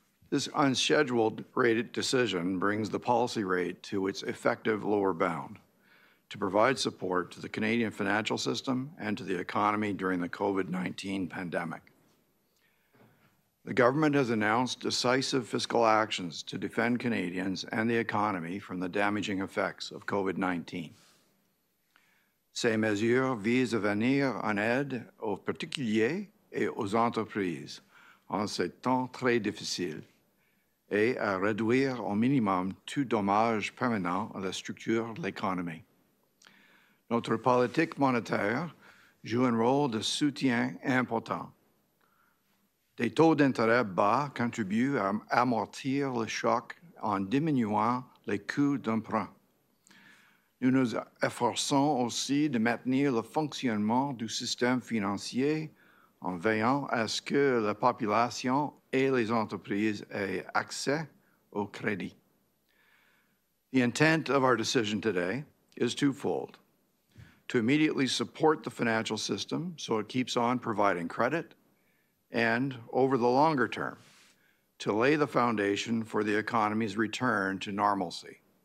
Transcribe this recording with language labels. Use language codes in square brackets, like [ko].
[en] This unscheduled rate decision brings the policy rate to its effective lower bound to provide support to the Canadian financial system and to the economy during the COVID-19 pandemic. The government has announced decisive fiscal actions to defend Canadians and the economy from the damaging effects of COVID-19. [fr] Ces mesures visent à venir en aide aux particuliers et aux entreprises en ces temps très difficiles et à réduire au minimum tout dommage permanent à la structure de l'économie. Notre politique monétaire joue un rôle de soutien important. Des taux d'intérêt bas contribuent à amortir le choc en diminuant les coûts d'emprunt. Nous nous efforçons aussi de maintenir le fonctionnement du système financier en veillant à ce que la population et les entreprises aient accès au crédit. [en] The intent of our decision today is twofold: to immediately support the financial system so it keeps on providing credit, and over the longer term, to lay the foundation for the economy's return to normalcy.